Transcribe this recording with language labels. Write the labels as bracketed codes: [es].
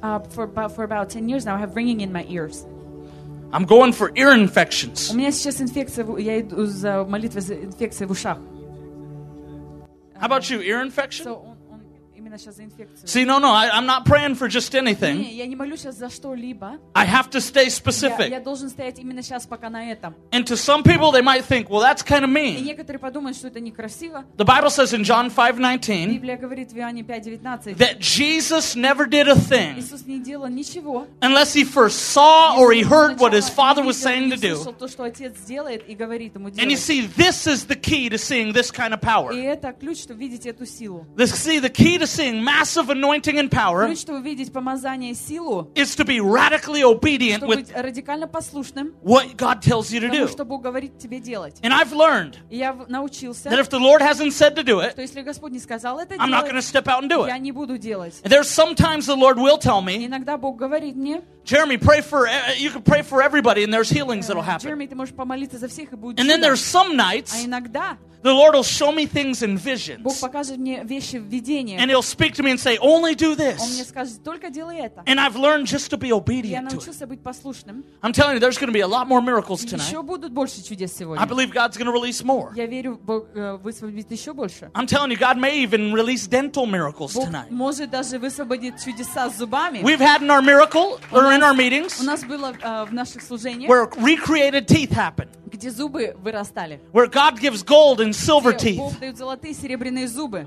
[en] For about 10 years now, I have ringing in my ears. I'm going for ear infections. [ru] У меня сейчас инфекция, я иду за молитвой за инфекцию в ушах. [en] How about you, ear infection? [ru] So, он именно сейчас за инфекцию. [en] See, no, I'm not praying for just anything. [ru] Не, я не молюсь сейчас за что-либо. [en] I have to stay specific. [ru] Я должен стоять именно сейчас пока на этом. [en] And to some people, they might think, well, that's kind of mean. [ru] И некоторые подумают, что это некрасиво. [en] The Bible says in John 5:19. [ru] Библия говорит в Иоанне 5:19. [en] That Jesus never did a thing. [ru] Иисус не делал ничего. [en] Unless he first saw or he heard what his father was saying to do. [ru] Слышал то, что отец делает, и говорит ему делать. [en] And you see, this is the key to seeing this kind of power. [ru] И это ключ, чтобы видеть эту силу. [en] See, the key to seeing massive anointing and power. [ru] Ключ, чтобы видеть помазание и силу. [en] Is to be radically obedient with [ru] радикально послушным [en] what God tells you to [ru] тому, [en] do. [ru] Что Бог говорит тебе делать. [en] And I've learned [ru] я научился, [en] that if the Lord hasn't said to do it, [ru] что если Господь не сказал это [en] I'm [ru] делать, [en] not going to step out and do [ru] я [en] it. [ru] Не буду делать. [en] And there's sometimes the Lord will tell me, [ru] иногда Бог говорит мне, [en] Jeremy, pray for you can pray for everybody and there's healings that'll happen. [ru] Jeremy, ты можешь помолиться за всех, и будет [en] and чудо. Then there's some nights [ru] а иногда, [en] the Lord will show me things in visions. [ru] Бог покажет мне вещи в видениях. [en] And he'll speak to me and say, only do this. [ru] Он мне скажет, только делай это. [en] And I've learned just to be obedient to it. [ru] Я научился быть послушным. [en] I'm telling you, there's going to be a lot more miracles tonight. [ru] Еще будут больше чудес сегодня. [en] I believe God's going to release more. [ru] Я верю, Бог высвободит еще больше. [en] I'm telling you, God may even release dental miracles tonight. [ru] Бог может даже высвободить чудеса с зубами. [en] We've had in our miracle, or in our meetings, [ru] у нас было в наших служениях, [en] where recreated teeth happen. [ru] Где зубы вырастали. [en] Where God gives gold and silver teeth. [ru] Где Бог дает золотые серебряные зубы.